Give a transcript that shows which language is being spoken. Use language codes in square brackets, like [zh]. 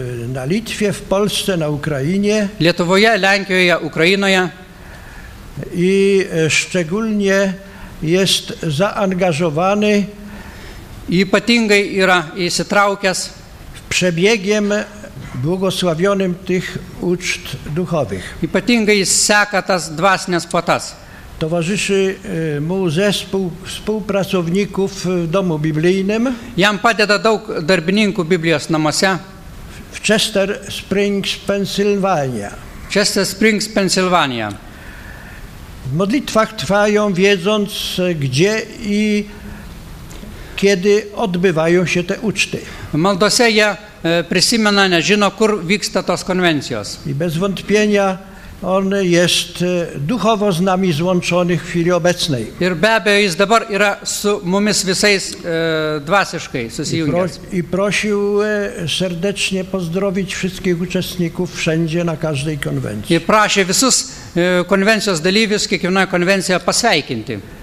[pl] Na Litwie, w Polsce, na Ukrainie. [lt] Lietuvoje, Lenkijoje, Ukrainoje. [pl] I szczególnie jest zaangażowany. [lt] Ypatingai yra įsitraukęs. [pl] W przebiegiem błogosławionym tych uczt duchowych. [lt] Ypatingai jis seka tas dvasines puotas. [pl] Towarzyszy mu zespół współpracowników w domu biblijnym. [lt] Jam padeda daug darbininkų Biblijos namuose. [pl] W Chester Springs, Pennsylvania. [lt] Chester Springs, Pennsylvania. [pl] W modlitwach trwają, wiedząc gdzie i kiedy odbywają się te uczty. [lt] Maldose jie prisimena, nežino, kur vyksta tos konvencijos. [pl] I bez wątpienia on jest duchowo z nami złączony w chwili obecnej. [lt] Ir be abejo, jis dabar yra su mumis visais dvasiškai susijungęs. [pl] I prosił serdecznie pozdrowić wszystkich uczestników wszędzie na każdej konwencji. [lt] Ir prašė visus konvencijos dalyvius, kiekvienoje konvencijoje pasveikinti.